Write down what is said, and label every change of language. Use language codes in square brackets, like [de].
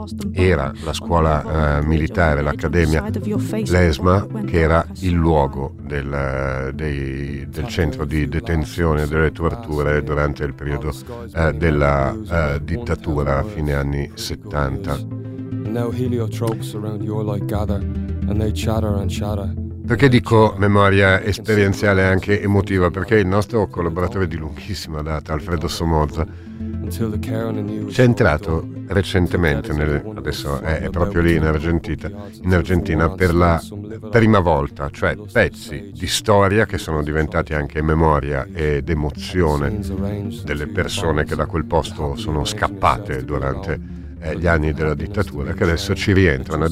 [it] era la scuola militare, l'Accademia Lesma, che era il luogo del centro di detenzione delle torture durante il periodo della dittatura a fine anni 70. [en] Now heliotropes around your light gather and they chatter and chatter. [it] Perché dico memoria esperienziale e anche emotiva? Perché il nostro collaboratore di lunghissima data, Alfredo Somoza, c'è entrato recentemente, adesso è proprio lì in Argentina, per la prima volta, cioè pezzi di storia che sono diventati anche memoria ed emozione delle persone che da quel posto sono scappate durante gli anni della dittatura, che adesso ci rientrano.